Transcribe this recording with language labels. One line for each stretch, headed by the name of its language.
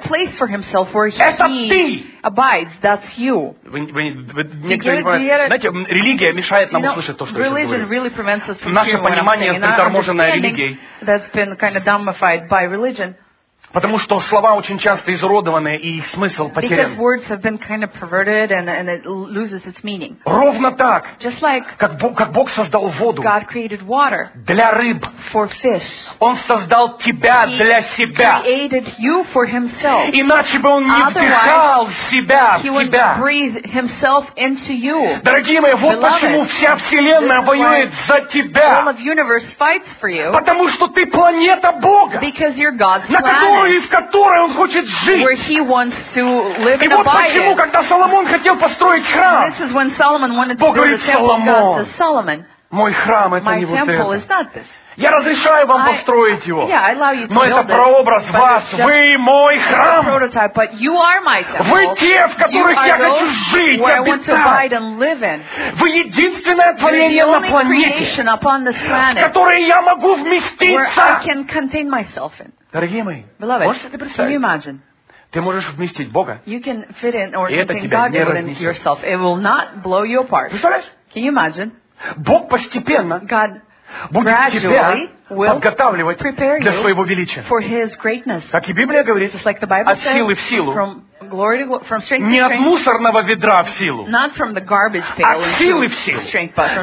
Russian: Это ты.
English: Abides, that's you.
Russian: Знаете, религия мешает нам услышать то, что я говорю. Наше понимание приторможено религией. Потому что слова очень часто изуродованы, и их смысл потерян.
English: Because words have been kind of perverted and it loses its meaning.
Russian: Ровно так,
English: just like
Russian: как Бог создал воду,
English: God created water
Russian: для рыб,
English: for fish.
Russian: Он создал тебя
English: he
Russian: для себя.
English: Created you for himself.
Russian: Иначе бы Он не вдыхал себя в
English: he would
Russian: тебя.
English: Breathe himself into you.
Russian: Дорогие мои, вот
English: beloved,
Russian: почему вся вселенная воюет за тебя.
English: All of universe fights for you.
Russian: Потому что ты планета Бога.
English: Because you're God's planet.
Russian: В которой он хочет жить.
English: Where he wants to live
Russian: и вот почему, it. Когда Соломон хотел построить храм,
English: this is when Solomon wanted to
Russian: Бог говорит,
English: the temple,
Russian: Соломон,
English: God says, Solomon,
Russian: мой храм это
English: my
Russian: не вот
English: temple
Russian: это.
English: Is not this.
Russian: Я разрешаю вам построить его.
English: Yeah, I allow you to
Russian: но это прообраз
English: it,
Russian: вас. Вы мой храм.
English: Prototype, but you are my temple.
Russian: Вы те, в которых
English: you
Russian: я хочу жить,
English: where
Russian: обитать.
English: I want to abide and live in.
Russian: Вы единственное творение на планете,
English: upon this planet,
Russian: в которое я могу вместиться.
English: Where I can contain myself in.
Russian: Дорогие мои,
English: beloved,
Russian: можете себе представить?
English: Can you imagine?
Russian: Ты можешь вместить Бога.
English: You can fit in or contain God within yourself. It will not blow you apart.
Russian: Представляешь?
English: Can you imagine?
Russian: Бог постепенно
English: God
Russian: будет тебя подготавливать для своего величия. Как и Библия говорит,
English: like
Russian: от силы
English: said,
Russian: в силу.
English: From glory to, from strength
Russian: не
English: to strength,
Russian: от мусорного ведра в силу.
English: Not from the garbage pail,
Russian: от силы в силу.
English: Strength, but from